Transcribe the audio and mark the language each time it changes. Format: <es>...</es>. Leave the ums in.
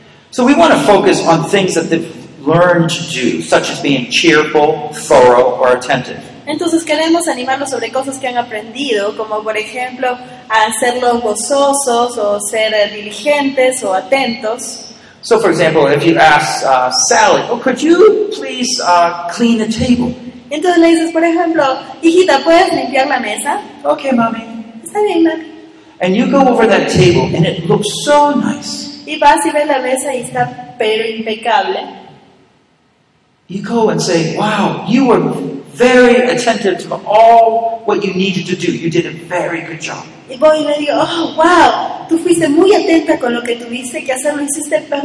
<en>so we want to focus on things that the learn to do, such as being cheerful, thorough, or attentive.</en> <es>Entonces queremos animarlos sobre cosas que han aprendido, como por ejemplo a hacerlo gozosos o ser diligentes o atentos.</es> <en>So, for example, if you ask uh, Sally, oh, could you please uh, clean the table?</en> <es>Entonces le dices, por ejemplo, hijita, ¿puedes limpiar la mesa? Okay, mami. Está bien, mami.</es> <en>And you go over that table and it looks so nice.</en> <es>Y vas y ves la mesa y está pero impecable</es> <en>you go and say, Wow, you were very attentive to all what you needed to do. You did a very good job.</en> <es>Y voy y le digo, oh, wow, tú fuiste muy atenta con lo que tuviste que hacer, lo hiciste</es>